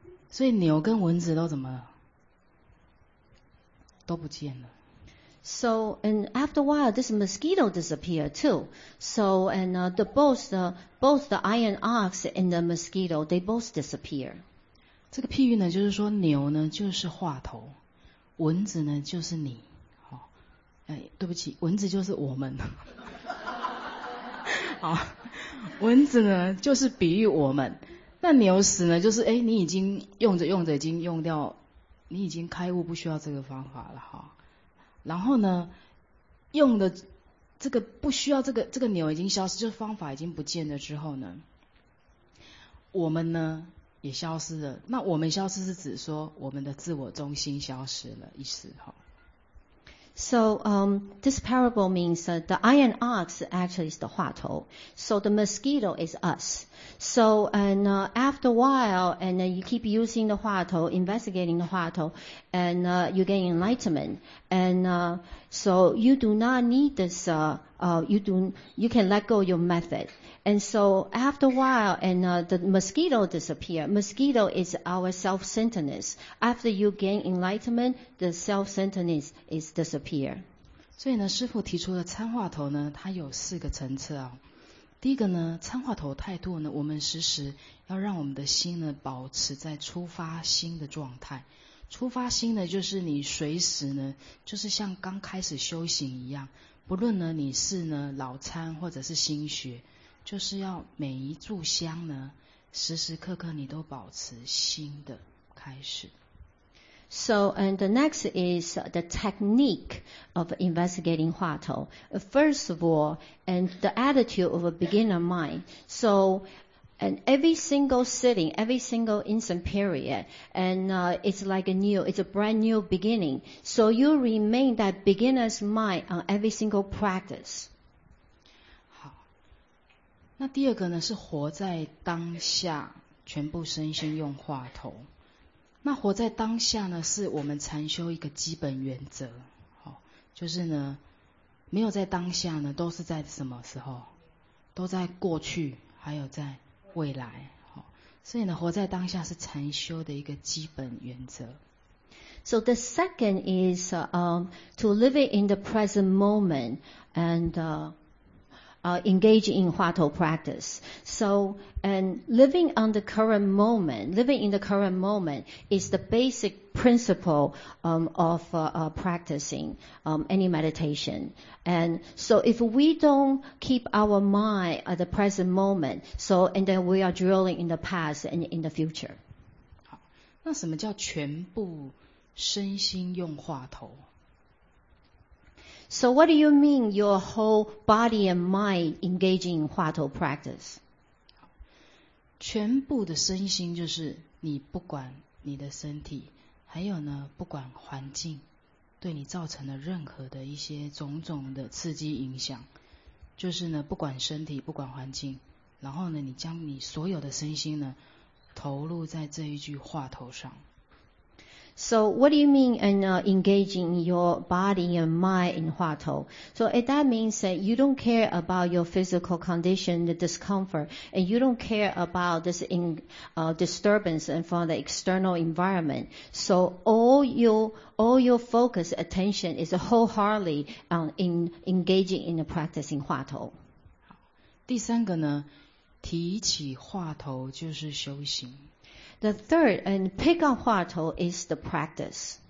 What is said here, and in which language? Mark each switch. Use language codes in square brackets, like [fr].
[zh] 所以牛跟蚊子都怎么了？都不见了。 [en] So and after a while, this mosquito disappeared too. So and both the iron ox and the mosquito, they both disappear. [zh] 这个譬喻呢，就是说牛呢就是话头，蚊子呢就是你。好、哦，哎，对不起，蚊子就是我们。好，蚊子呢就是比喻我们。那牛屎呢就是哎、欸、你已经用着用着已经用掉你已经开悟不需要这个方法了哈。然后呢用的这个不需要这个牛已经消失就是方法已经不见了之后呢我们呢也消失了。那我们消失是指说我们的自我中心消失了意思哈。 [en] So, this parable means that the iron ox actually is the 话头. So the mosquito is us. So, and, after a while, and then you keep using the 话头, investigating the 话头, and, you gain enlightenment. And, so you do not need this, you can let go of your method. And so after a while, and, the mosquito disappear. Mosquito is our self-centeredness. After you gain enlightenment, the self-centeredness is disappear. [zh] 所以呢，师父提出的参话头呢，它有四个层次啊。第一个呢，参话头态度呢，我们时时要让我们的心呢，保持在出发心的状态。出发心呢，就是你随时呢，就是像刚开始修行一样，不论呢你是呢老参或者是新学，就是要每一炷香呢，时时刻刻你都保持新的开始。 [en] So, and the next is the technique of investigating 话头. First of all, and the attitude of a beginner mind. So, and every single sitting, every single instant period, and it's like a new, it's a brand new beginning. So you remain that beginner's mind on every single practice. [zh] 好，那第二个呢，是活在当下，全部身心用话头。那活在当下呢，是我们禅修一个基本原则，好，就是呢，没有在当下呢，都是在什么时候？都在过去，还有在未来，好，所以呢，活在当下是禅修的一个基本原则。 [en] So the second is to live it in the present moment and engage in 话头 practice. So, and living on the current moment, living in the current moment is the basic principle of practicing any meditation. And so if we don't keep our mind at the present moment, so, and then we are drilling in the past and in the future. [zh] 好，那什么叫全部身心用话头？ [en] So what do you mean your whole body and mind engaging in 话头 practice? [zh] 全部的身心就是你不管你的身体，还有呢，不管环境对你造成的任何的一些种种的刺激影响，就是呢，不管身体，不管环境，然后呢，你将你所有的身心呢，投入在这一句话头上。 [en] So what do you mean in engaging your body and mind in 话头? So that means that you don't care about your physical condition, the discomfort, and you don't care about this disturbance from the external environment. So all your focus attention is wholeheartedly in engaging in the practicing 话头. [zh] 第三个呢，提起话头就是修行。 [en] The third, and pick up 话头 is the practice.